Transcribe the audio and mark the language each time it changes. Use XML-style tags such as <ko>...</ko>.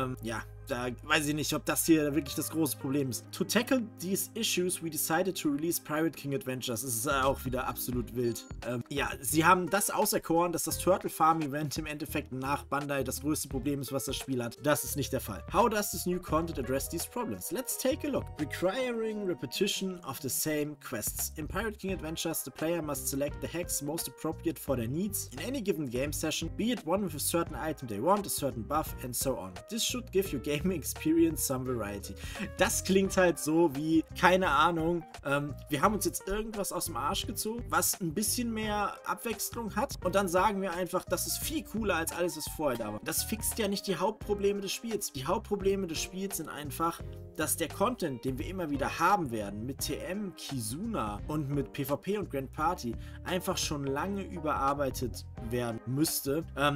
<de>Ja, da weiß ich nicht, ob das hier wirklich das große Problem ist.</de> <en>To tackle these issues, we decided to release Pirate King Adventures.</en> <de>Das ist auch wieder absolut wild. Ja, sie haben das auserkoren, dass das Turtle Farm Event im Endeffekt nach Bandai das größte Problem ist, was das Spiel hat. Das ist nicht der Fall.</de> <en>How does this new content address these problems? Let's take a look. Requiring repetition of the same quests. In Pirate King Adventures, the player must select the hex most appropriate for their needs in any given game session, be it one with a certain item they want, a certain buff and so on. This should give you gaming experience some variety.</en> <de>Das klingt halt so wie, keine Ahnung, wir haben uns jetzt irgendwas aus dem Arsch gezogen, was ein bisschen mehr Abwechslung hat und dann sagen wir einfach, das ist viel cooler als alles, was vorher da war. Das fixt ja nicht die Hauptprobleme des Spiels. Die Hauptprobleme des Spiels sind einfach, dass der Content, den wir immer wieder haben werden, mit TM, Kizuna und mit PvP und Grand Party, einfach schon lange überarbeitet werden müsste.</de>